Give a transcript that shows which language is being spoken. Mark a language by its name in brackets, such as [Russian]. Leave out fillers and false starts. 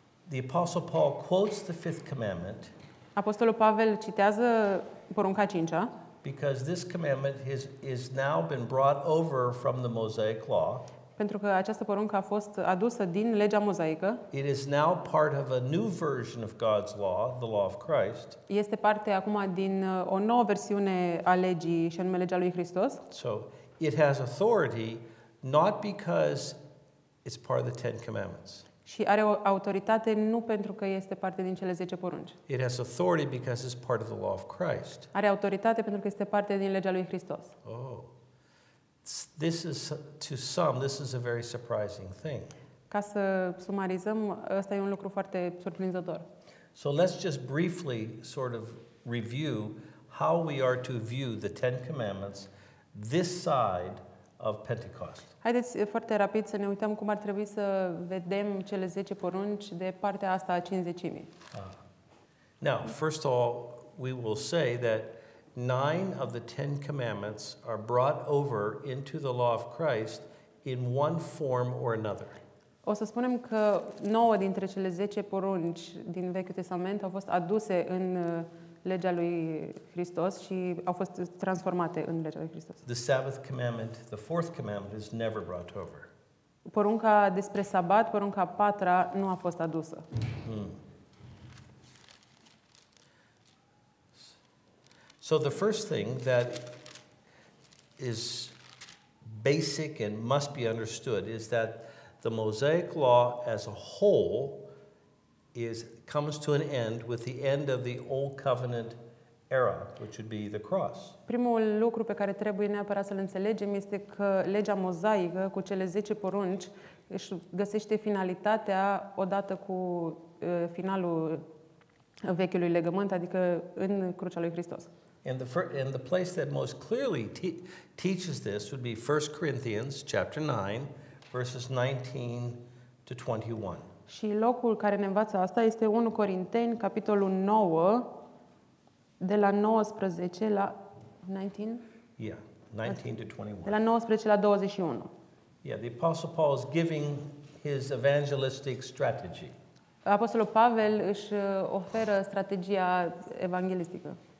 [English] The Apostle Paul quotes the fifth commandment. [Romanian] Apostolul Pavel citează porunca a cincea. [English] Because this commandment is now been brought over from the Mosaic law. [Romanian] Pentru că această poruncă a fost adusă din legea mozaică. [English] It is now part of a new version of God's law, the law of Christ. [Romanian] Este parte acum din o nouă versiune a legii și anume legea lui Hristos. [English] So it has authority not because it's part of the Ten Commandments. [Romanian] Și are o autoritate nu pentru că este parte din cele 10 porunci. [English] It has authority because it's part of the law of Christ. [Romanian] Are autoritate pentru că este parte din legea lui Hristos. [English] Oh. This is a very surprising thing. [Romanian] Ca să sumarizăm, ăsta e un lucru foarte surprinzător. [English] So let's just briefly sort of review how we are to view the Ten Commandments this side of Pentecost. [Romanian] Haideți foarte rapid să ne uităm cum ar trebui să vedem cele 10 porunci de partea asta a cincizecimii. [English] Now, first of all, we will say that 9 of the 10 commandments are brought over into the law of Christ in one form or another. [Romanian] O să spunem că 9 dintre cele 10 porunci din Vechiul Testament au fost aduse în legea lui Hristos și au fost transformate în legea lui Hristos. [English] The Sabbath commandment, the fourth commandment, is never brought over. [Romanian] Porunca despre sabat, porunca a patra, nu a fost adusă. [English] So the first thing that is basic and must be understood is that the Mosaic law as a whole comes to an end with the end of the old covenant era, which would be the cross. [Romanian] Primul lucru pe care trebuie neapărat să-l înțelegem este că legea mozaică cu cele 10 porunci își găsește finalitatea odată cu finalul vechiului legământ, adică în crucea lui Hristos. [English] And the and the place that most clearly teaches this would be 1 Corinthians chapter 9 verses 19 to 21. [Romanian] Și locul care ne învață asta este 1 Corinteni capitolul 9 de la 19 la 19? [English] Yeah, 19 to 21. [Romanian] De la 19 la 21. [English] Yeah, the Apostle Paul is giving his evangelistic strategy. [Romanian] Apostolul Pavel își oferă strategia evanghelistică.